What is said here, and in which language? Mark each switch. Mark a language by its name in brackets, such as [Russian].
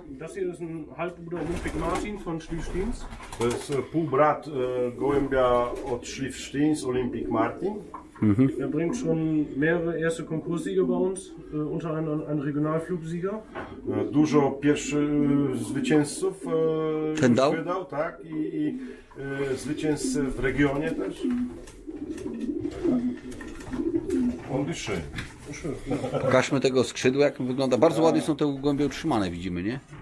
[German] Das hier ist ein Halbbruder Olympic Martin von Schliffsteins. [Polish] To jest półbrat gołębia od Schliffsteins, Olympic Martin. Mhm. [German] Er bringt schon mehrere erste Konkurssiege bei uns, unter anderem ein Regionalflugsieger. [Polish] Dużo pierwszych zwycięzców wydał, tak? I zwycięzcy w regionie też. On dyszy. Pokażmy tego skrzydła, jak wygląda. Bardzo ładnie są te gołębie utrzymane, widzimy, nie?